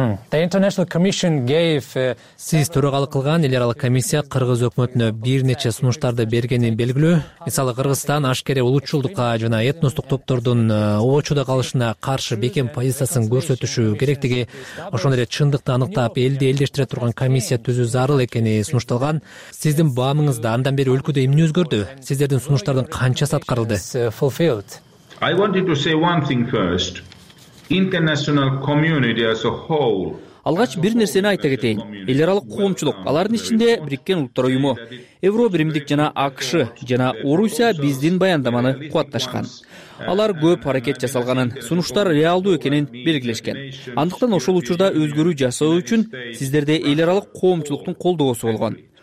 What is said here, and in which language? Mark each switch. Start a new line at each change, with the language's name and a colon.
English: The International Commission gave
Kyrgyz: Сиз төрагалык кылган эл аралык комиссия кыргыз өкмөтүнө бир нече сунуштарды бергени белгилүү. Мисалы, Кыргызстан ашкере улутчулдукка жана этностук топтордун обочудо калышына каршы бекем позициясын көрсөтүшү керектиги, ошондой эле чындыкты аныктап, элди элдештире турган комиссия түзүү зарыл экени сунушталган. Сиздин бааңызда андан бери өлкөдө эмне өзгөрдү? Сиздердин сунуштардын канчасы аткарылды?
English: I wanted to say one thing first. International community as a whole.
Kyrgyz: Алгач бир нерсени айта кетейин. Эл аралык коомчулук, алардын ичинде Бириккен Улуттар Уюму, Евро Биримдик жана АКШ жана Орусия биздин баяндаманы кубатташкан. Алар көп аракет жасалганын, сунуштар реалдуу экенин белгилешкен. Андыктан ошол учурда өзгөрүү жасоо үчүн сиздерде эл аралык коомчулуктун колдоосу болгон.